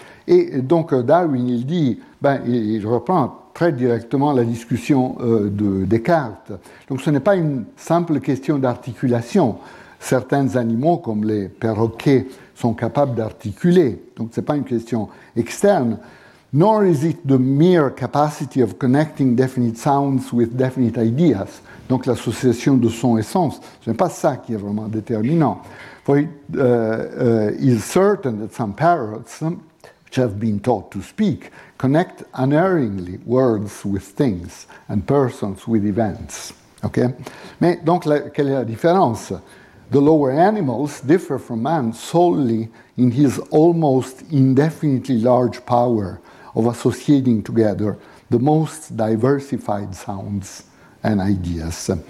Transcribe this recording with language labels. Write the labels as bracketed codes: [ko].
[fr] Et donc Darwin, il dit, il reprend très directement la discussion de Descartes. Donc ce n'est pas une simple question d'articulation. Certains animaux, comme les perroquets, sont capables d'articuler. Donc ce n'est pas une question externe. [en] Nor is it the mere capacity of connecting definite sounds with definite ideas. [fr] Donc l'association de son et sens, ce n'est pas ça qui est vraiment déterminant. [en] For it is certain that some parrots, which have been taught to speak, connect unerringly words with things and persons with events. Okay? [fr] Mais donc, quelle est la différence? [en] The lower animals differ from man solely in his almost indefinitely large power of associating together the most diversified sounds and ideas.